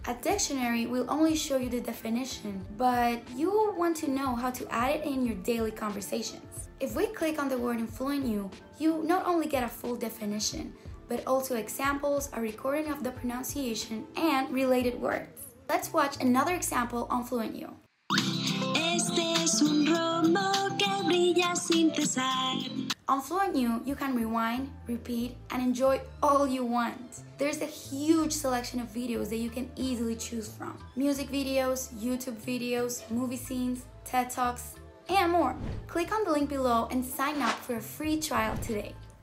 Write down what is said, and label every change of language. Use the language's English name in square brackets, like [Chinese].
[English] A dictionary will only show you the definition, but you want to know how to add it in your daily conversations. If we click on the word in FluentU, you not only get a full definition, but also examples, a recording of the pronunciation, and related words. Let's watch another example on FluentU. [Spanish] Este es un romo que brilla sin cesar. [English] On FluentU, you can rewind, repeat, and enjoy all you want. There's a huge selection of videos that you can easily choose from. Music videos, YouTube videos, movie scenes, TED Talks, and more. Click on the link below and sign up for a free trial today.